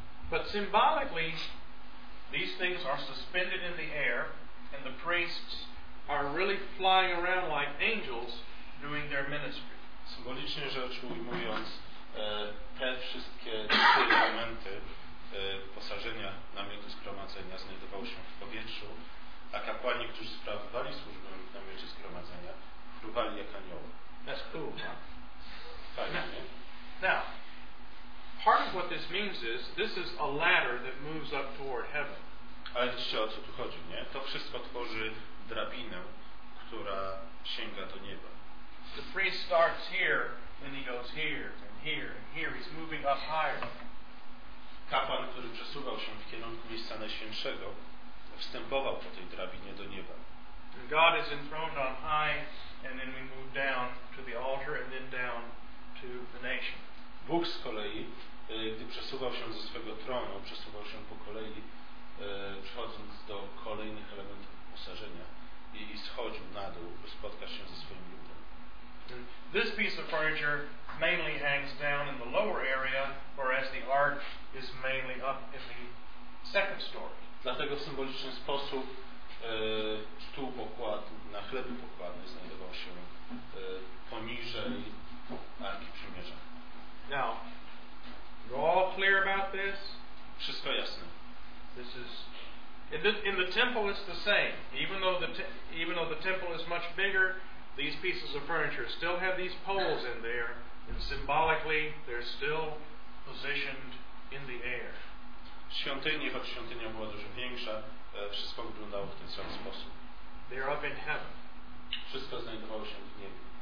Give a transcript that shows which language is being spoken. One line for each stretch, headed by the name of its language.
English: But symbolically, these things are suspended in the air and the priests are really flying around like angels doing their ministry.
Polish: Symbolicznie rzecz ujmując, te wszystkie trzy elementy wyposażenia namiotu zgromadzenia znajdowały się w powietrzu, a kapłani, którzy sprawowali służbę w namiocie zgromadzenia, fruwali jak anioły.
English: That's cool, huh?
Polish: Fajnie.
English: Now, part of what this means is, this is a ladder that moves up toward heaven.
Polish: Ale widzicie, o co tu chodzi, nie? To wszystko tworzy drabinę, która sięga do nieba.
English: The priest starts here, and he goes here, and here, and here. He's moving up higher.
Polish: Kapłan, który przesuwał się w kierunku miejsca najświętszego, wstępował po tej drabinie do nieba.
English: And God is enthroned on high, and then we move down to the altar, and then down to the nation.
Polish: Bóg z kolei, gdy przesuwał się ze swego tronu, przesuwał się po kolei, przechodząc do kolejnych elementów wyposażenia i schodził na dół, by spotkać się ze swoim ludem.
English: This piece of furniture mainly hangs down in the lower area, whereas the ark is mainly up in the second story.
Polish: Dlatego w symboliczny sposób stół pokładny, na chlebie pokładny znajdował się poniżej Arki Przymierza.
English: Now, you all clear about this?
Polish: Wszystko jasne.
English: This is in the temple. It's the same. Even though the temple is much bigger, these pieces of furniture still have these poles in there, and symbolically, they're still positioned in the air.
Polish: Świątynia, choć świątynia była dużo większa, wszystko wyglądało w ten sam sposób.
English: They're up in heaven.
Polish: Wszystko znajdowało się w niebie.